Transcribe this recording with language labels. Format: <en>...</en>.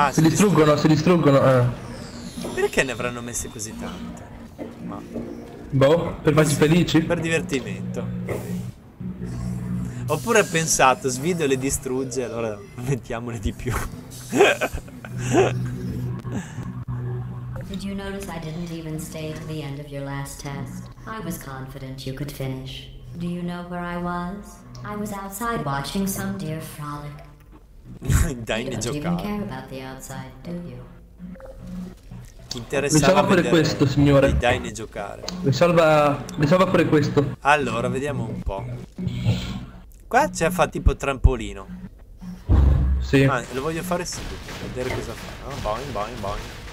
<it>Si distruggono. Perché ne avranno messe così tante? Ma... Boh, per farci felici? Per divertimento. Oppure ho pensato, svido e le distrugge, allora mettiamole di più.</it> <en>Did you notice I didn't even stay to the end of your last test? I was confident you could finish. Do you know where I was? I was outside watching some deer frolic.</en> <it>Dai, ne giocavo.</it> <en>You don't care about the outside, do you?</en> <it>Risolva pure questo, signore. Dai, ne giocare. Risolva pure questo. Allora, vediamo un po'. Qua c'è fa tipo trampolino. Sì. Lo voglio fare subito. vedere cosa fa. Oh, boing, boing, boing.</it>